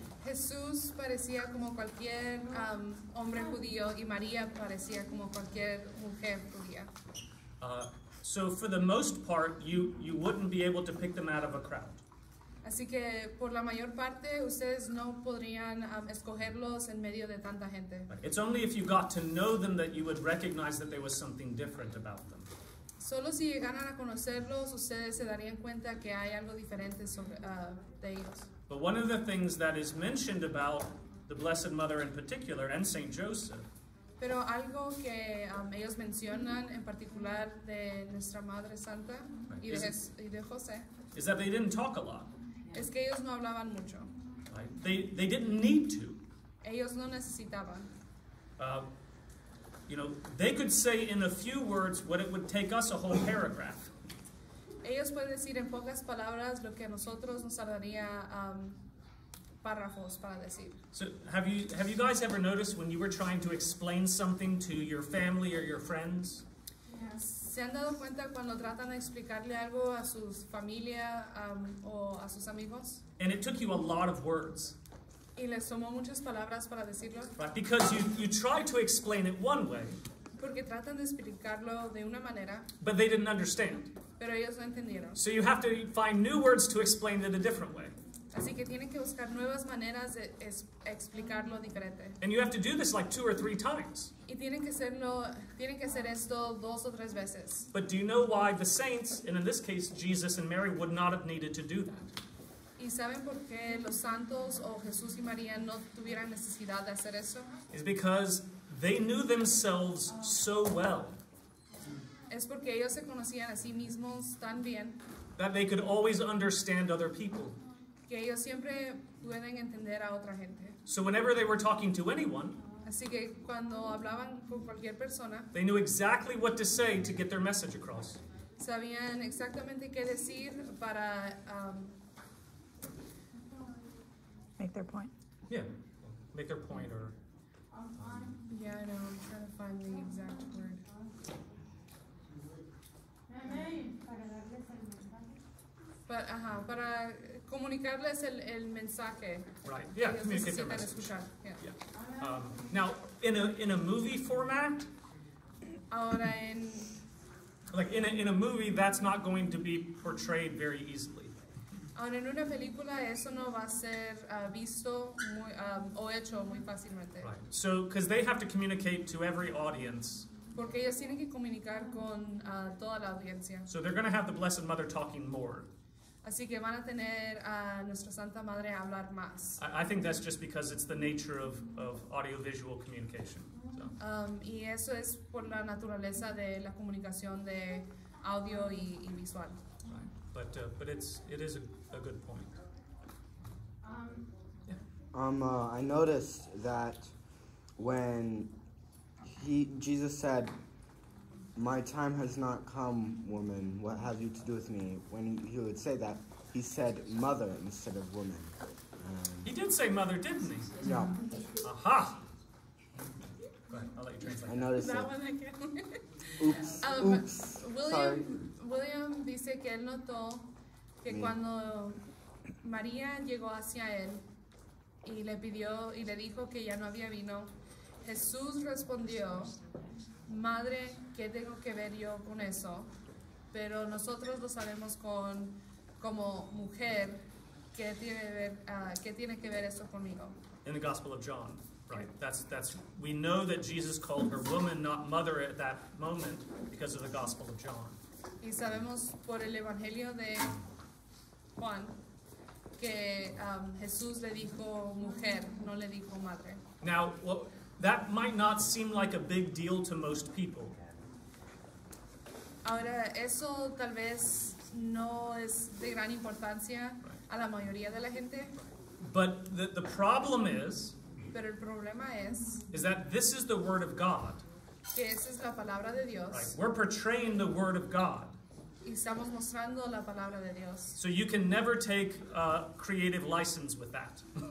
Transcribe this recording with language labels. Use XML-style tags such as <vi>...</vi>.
<es>Jesús parecía como cualquier hombre judío, y María parecía como cualquier mujer judía.</es> <en>So for the most part, you wouldn't be able to pick them out of a crowd.</en> <es>Así que por la mayor parte ustedes no podrían escogerlos en medio de tanta gente.</es> <en>It's only if you got to know them that you would recognize that there was something different about them.</en> <es>Solo si llegaran a conocerlos ustedes se darían cuenta que hay algo diferente sobre de ellos.</es> <en>But one of the things that is mentioned about the Blessed Mother in particular and Saint Joseph.</en> <es>Pero algo que ellos mencionan en particular de nuestra Madre Santa y de José.</es> <en>Is that they didn't talk a lot.</en> <es>Es que ellos no hablaban mucho.</es> <en>Right. They didn't need to.</en> <es>Ellos no necesitaban.</es> <en>You know, they could say in a few words what it would take us a whole paragraph.</en> <es>Ellos pueden decir en pocas palabras lo que a nosotros nos tardaría párrafos para decir.</es> <en>So have you guys ever noticed when you were trying to explain something to your family or your friends? Yes.</en> <es>¿Se han dado cuenta cuando tratan de explicarle algo a su familia o a sus amigos?</es> <en>And it took you a lot of words.</en> <es>¿Y les tomó muchas palabras para decirlo?</es> <en>Right, because you try to explain it one way.</en> <es>Porque tratan de explicarlo de una manera.</es> <en>But they didn't understand.</en> <es>Pero ellos no entendieron.</es> <en>So you have to find new words to explain it a different way.</en> <es>Así que tienen que buscar nuevas maneras de explicarlo diferente.</es> <en>And you have to do this like two or three times.</en> <es>Y tienen que hacer esto dos o tres veces.</es> <en>But do you know why the saints, and in this case Jesus and Mary, would not have needed to do that?</en> <es>¿Y saben por qué los santos o Jesús y María no tuvieran necesidad de hacer eso?</es> <en>It's because they knew themselves so well.</en> <es>Es porque ellos se conocían a sí mismos tan bien.</es> <en>That they could always understand other people.</en> <es>Que ellos siempre pueden entender a otra gente.</es> <en>So whenever they were talking to anyone,</en> <es>así que cuando hablaban con cualquier persona,</es> <en>they knew exactly what to say to get their message across.</en> <es>Sabían exactamente qué decir para</es> <en>make their point. Yeah, make their point or... Yeah, I know, I'm trying to find the exact word.</en> <es>But, para comunicarles el mensaje.</es> <en>Right, yeah, communicate their message.</en> <es>Escuchar. Yeah.</es> <en>Now, in a movie format,</en> <es>ahora en...</es> <en>like in a movie, that's not going to be portrayed very easily.</en> <es>Ahora en una película, eso no va a ser visto muy, o hecho muy fácilmente.</es> <en>Right, so, because they have to communicate to every audience.</en> <es>Porque ellas tienen que comunicar con toda la audiencia.</es> <en>So they're going to have the Blessed Mother talking more.</en> <es>Así que van a tener a nuestra Santa Madre a hablar más.</es> <en>I think that's just because it's the nature of audiovisual communication.</en> <es>Y eso es por la naturaleza de la comunicación de audio y visual.</es> <en>But it is a good point. I noticed that when Jesus said, "My time has not come, woman. What have you to do with me?" When he would say that, he said "mother" instead of "woman." He did say "mother," didn't he? No. Aha. I'll let you translate. I noticed that. William</en> <es>dice que él notó que cuando María llegó hacia él y le pidió y le dijo que ya no había vino, Jesús respondió, "Madre, ¿qué tengo que ver yo con eso?" Pero nosotros lo sabemos con como mujer, ¿qué tiene que ver eso conmigo?</es> <en>In the Gospel of John. Right. That's we know that Jesus called her woman, not mother, at that moment because of the Gospel of John.</en> <es>Y sabemos por el Evangelio de Juan que Jesús le dijo mujer, no le dijo madre.</es> <en>Now, well, that might not seem like a big deal to most people.</en> <es>Ahora eso tal vez no es de gran importancia a la mayoría de la gente.</es> <en>But the problem is.</en> <es>Pero el problema</es> <en>is that this is the word of God.</en> <es>Que esa es la palabra de Dios.</es> <en>Right. We're portraying the word of God.</en> <es>Y estamos mostrando la palabra de Dios.</es> <en>So you can never take creative license with that.</en>